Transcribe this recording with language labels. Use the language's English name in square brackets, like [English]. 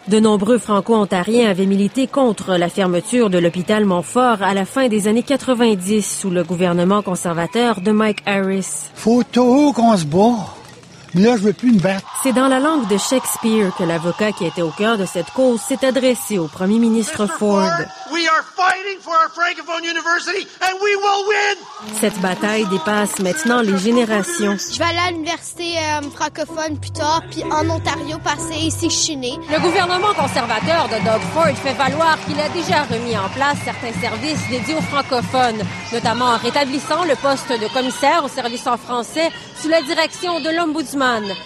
[French] De nombreux franco-ontariens avaient milité contre la fermeture de l'hôpital Montfort à la fin des années 90 sous le gouvernement conservateur de Mike Harris. Faut tout qu'on se bat. Là, je veux plus me battre. C'est dans la langue de Shakespeare que l'avocat qui était au cœur de cette cause s'est adressé au premier ministre Ford. [English] We are fighting for our francophone university and we will win. [French] Cette bataille dépasse maintenant les générations. Je vais aller à l'université francophone plus tard, puis en Ontario passer ici que je suis née. Le gouvernement conservateur de Doug Ford fait valoir qu'il a déjà remis en place certains services dédiés aux francophones, notamment en rétablissant le poste de commissaire aux services en français sous la direction de l'Ombudsman.